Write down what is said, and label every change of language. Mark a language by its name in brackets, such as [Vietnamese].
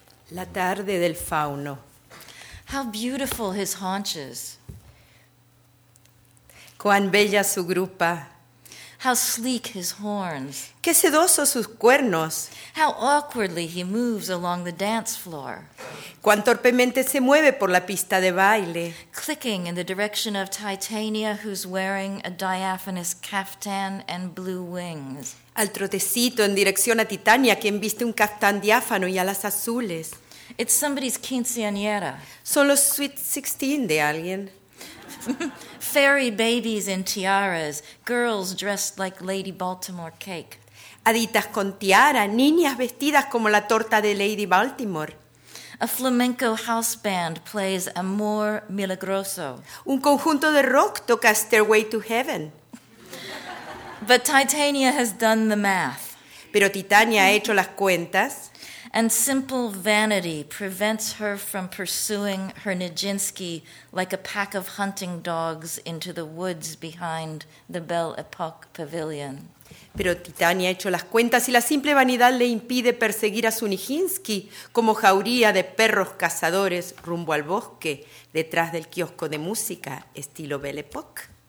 [Spanish] La tarde del fauno. [English] How beautiful his haunches. [Spanish] Cuán bella su grupa. [English] How sleek his horns. [Spanish] Qué sedosos sus cuernos. [English] How awkwardly he moves along the dance floor. [Spanish] Cuán torpemente se mueve por la pista de baile. [English] Clicking in the direction of Titania, who's wearing a diaphanous caftan and blue wings. [Spanish] Al trotecito en dirección a Titania, quien viste un caftán diáfano y alas azules. [English] It's somebody's quinceañera. [Spanish] Son los sweet 16 de alguien. [English] Fairy babies in tiaras, girls dressed like Lady Baltimore cake. [Spanish] Haditas con tiara, niñas vestidas como la torta de Lady Baltimore. [English] A flamenco house band plays Amor Milagroso. [Spanish] Un conjunto de rock toca Stairway to Heaven. [English] But Titania has done the math. [Spanish] Pero Titania ha hecho las cuentas. [English] And simple vanity prevents her from pursuing her Nijinsky like a pack of hunting dogs into the woods behind the Belle Époque pavilion. [Spanish] Pero Titania ha hecho las cuentas y la simple vanidad le impide perseguir a su Nijinsky como jauría de perros cazadores rumbo al bosque detrás del kiosco de música estilo Belle Époque.